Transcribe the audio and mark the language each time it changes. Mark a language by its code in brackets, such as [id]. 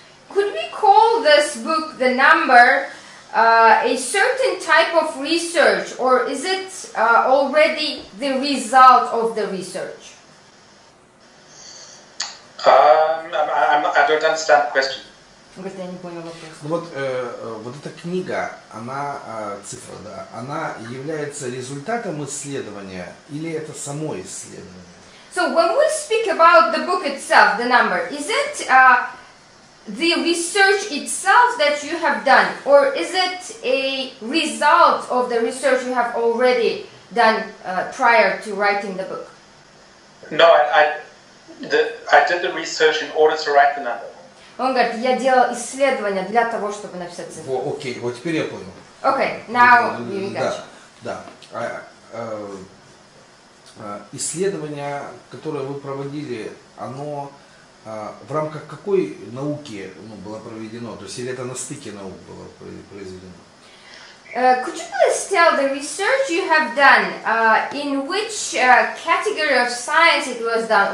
[en] Could we call this book «The Number» a certain type of research, or is it already the result of the research? I don't understand the question. [ru] Говорит, я не понял вопрос. Ну вот, вот эта книга, она цифра, да, она является результатом исследования или это само исследование? [en] So when we speak about the book itself, the number, is it the research itself that you have done, or is it a result of the research you have already done prior to writing the book? No, I did the research in order to write the novel. [ru] Он говорит, я делал исследования для того, чтобы написать цифровой. Окей, okay, вот теперь я понял. [en] Окей, okay, now you got [ru] да, [en] you. [ru] Да. Исследование, которое вы проводили, оно в рамках какой науки ну, было проведено? То есть, или это на стыке наук было произведено? [en] Could you please tell the research you have done, in which category of science it was done?